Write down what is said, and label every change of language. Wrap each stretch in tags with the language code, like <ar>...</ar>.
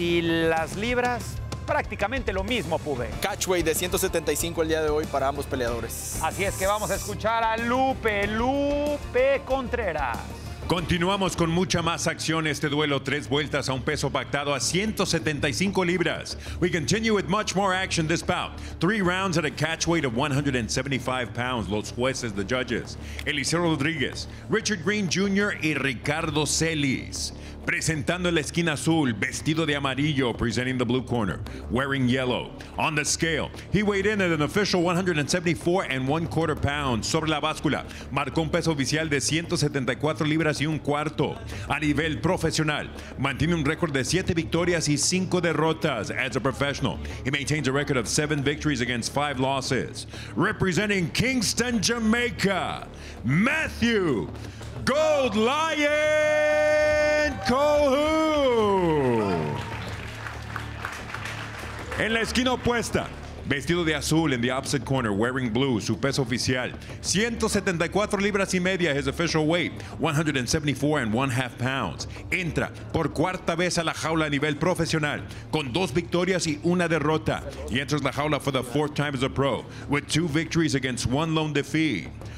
<es>Y las libras, prácticamente lo mismo, Pube. Catchweight de 175 el día de hoy para ambos peleadores. Así es que vamos a escuchar a Lupe Contreras. Continuamos con mucha más acción. Este duelo, 3 vueltas a un peso pactado a 175 libras.</es> <en>We continue with much more action this bout. 3 rounds at a catch weight of 175 pounds.</en> <es>Los jueces,</es> <en>the judges, Eliseo Rodríguez, Richard Green Jr.</en> <es>y Ricardo Celis. Presentando en la esquina azul, vestido de amarillo,</es> <en>presenting the blue corner, wearing yellow. On the scale, he weighed in at an official 174 and one quarter pounds.</en> <es>Sobre la báscula, marcó un peso oficial de 174 libras y un cuarto. A nivel profesional, mantiene un récord de 7 victorias y 5 derrotas.</es> <en>As a professional, he maintains a record of 7 victories against 5 losses. Representing Kingston, Jamaica, Matthew Gold Lion Calhoun.</en> <es>En la esquina opuesta, vestido de azul,</es> <en>in the opposite corner, wearing blue,</en> <es>su peso oficial, 174 libras y media,</es> <en>his official weight, 174 and one half pounds.</en> <es>Entra por cuarta vez a la jaula a nivel profesional, con 2 victorias y 1 derrota.</es> <en>He enters</en> <es>la jaula</es> <en>for the 4th time as a pro, with 2 victories against 1 lone defeat.</en>